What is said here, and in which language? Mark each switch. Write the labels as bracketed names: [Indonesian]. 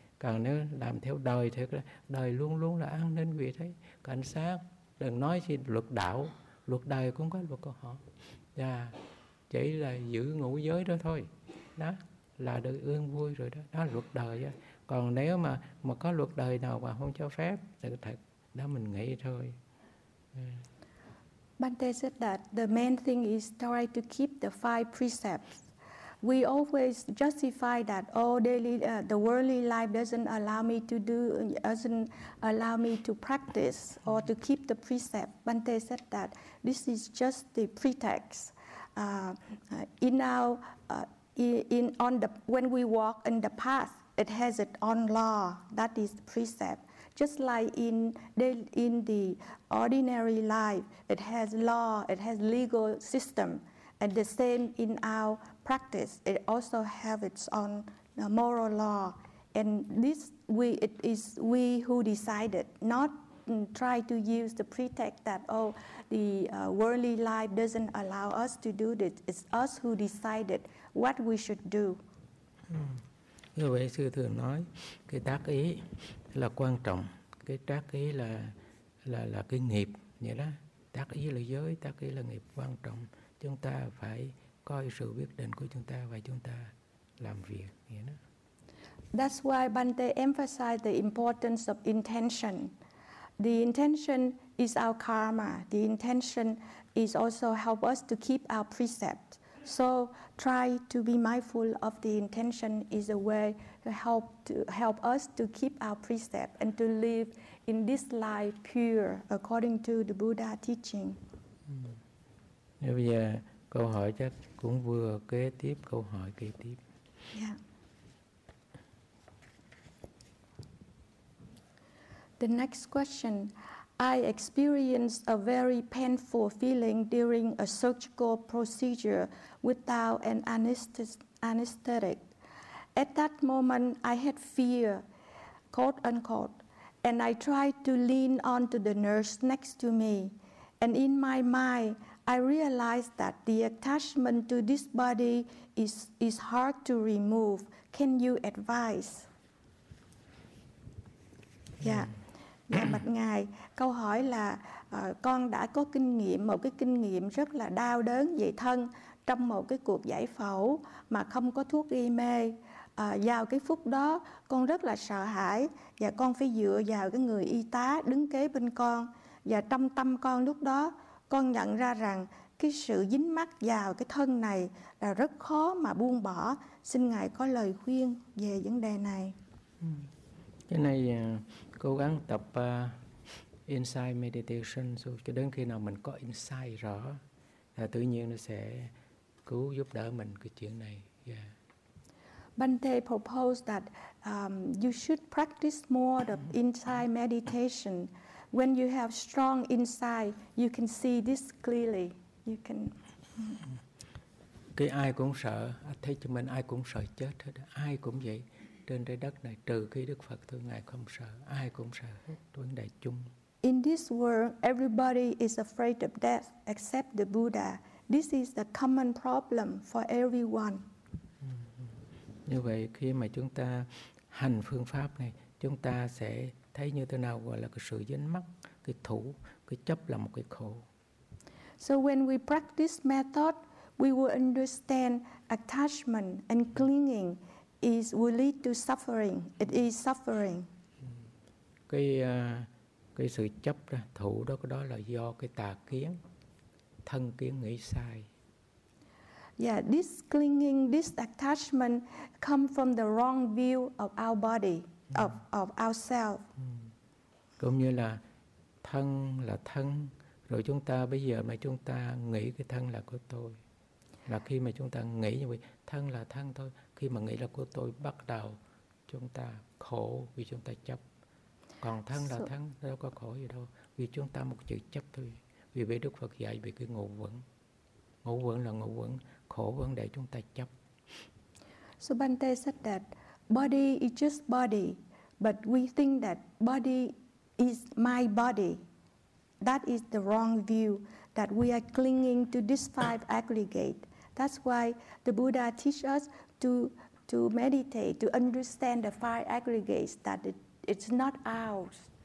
[Vietnamese] Còn nếu làm theo đời thì đời luôn luôn là an ninh, vì thế cảnh sát, đừng nói gì luật đạo, luật đời cũng có luật của họ. Và chỉ là giữ ngũ giới đó thôi, đó là được ương vui rồi đó, đó là luật đời. Đó. Còn nếu mà có luật đời nào mà không cho phép, thì thật, đó mình nghĩ thôi. [English] Bhante said that the main thing is try to keep the five precepts. We always justify that, the worldly life doesn't allow me to practice or to keep the precept. Bhante said that this is just the pretext. When we walk in the path, it has it on law. That is the precept. Just like in the ordinary life, it has law, it has legal system, and the same in our practice, it also have its own moral law. And this it is we who decided, not try to use the pretext that worldly life doesn't allow us to do this. It's us who decided what we should do. [Vietnamese] Như vậy sư thường nói, cái tác ý là quan trọng, cái tác ý là cái nghiệp, vậy đó. Tác ý là giới, tác ý là nghiệp quan trọng. Chúng ta phải coi sự quyết định của chúng ta và chúng ta làm việc, vậy đó. [English] That's why Bhante emphasized the importance of intention. The intention is our karma. The intention is also help us to keep our precepts. So try to be mindful of the intention is a way to help us to keep our precept and to live in this life pure according to the Buddha teaching. [Vietnamese] Bây giờ câu hỏi chắc cũng vừa kế tiếp câu hỏi kế tiếp. [English] Yeah. The next question. I experienced a very painful feeling during a surgical procedure without an anesthetic. At that moment, I had fear, quote unquote, and I tried to lean onto the nurse next to me. And in my mind, I realized that the attachment to this body is hard to remove. Can you advise? Yeah. [Vietnamese] Dạ bạch ngài, câu hỏi là con đã có kinh nghiệm, một cái kinh nghiệm rất là đau đớn về thân trong một cái cuộc giải phẫu mà không có thuốc gây mê. Vào cái phút đó con rất là sợ hãi và con phải dựa vào cái người y tá đứng kế bên con. Và trong tâm con lúc đó con nhận ra rằng cái sự dính mắc vào cái thân này là rất khó mà buông bỏ. Xin ngài có lời khuyên về vấn đề này. Cái này cố gắng tập [English] insight meditation [Vietnamese] cho đến khi nào mình có [English] insight [Vietnamese] rõ là tự nhiên nó sẽ cứu giúp đỡ mình cái chuyện này. [English] Bhante proposed that you should practice more the insight meditation. When you have strong insight, you can see this clearly. You can. [Vietnamese] Cái ai cũng sợ, thấy cho mình ai cũng sợ chết hết, ai cũng vậy. Trên trái đất này trừ khi Đức Phật thôi, ngài không sợ, ai cũng sợ hết, vấn đề chung. [English] In this world, everybody is afraid of death except the Buddha. This is the common problem for everyone. [Vietnamese] Như vậy khi mà chúng ta hành phương pháp này, chúng ta sẽ thấy như thế nào gọi là cái sự dính mắc, cái thủ, cái chấp là một cái khổ. [English] So when we practice method, we will understand attachment and clinging is will lead to suffering. It is suffering. [Vietnamese] Cái sự chấp đó, thủ đó, cái đó là do cái tà kiến, thân kiến nghĩ sai. [English] Yeah, this clinging, this attachment come from the wrong view of our body, of ourselves. [Vietnamese] Cũng như là thân là thân, rồi chúng ta bây giờ mà chúng ta nghĩ cái thân là của tôi. Là khi mà chúng ta nghĩ như vậy, thân là thân thôi. Khi mà nghĩ là của tôi, bắt đầu chúng ta khổ vì chúng ta chấp. Còn thân là thân, đâu có khổ gì đâu. Vì chúng ta một chữ chấp thôi. Vì vậy Đức Phật dạy về cái ngũ uẩn. Ngũ uẩn là ngũ uẩn, khổ vấn đề chúng ta chấp. [English] So Bhante said that body is just body, but we think that body is my body. That is the wrong view, that we are clinging to this five aggregate. That's why the Buddha teach us to meditate, to understand the five aggregates, that it's not ours.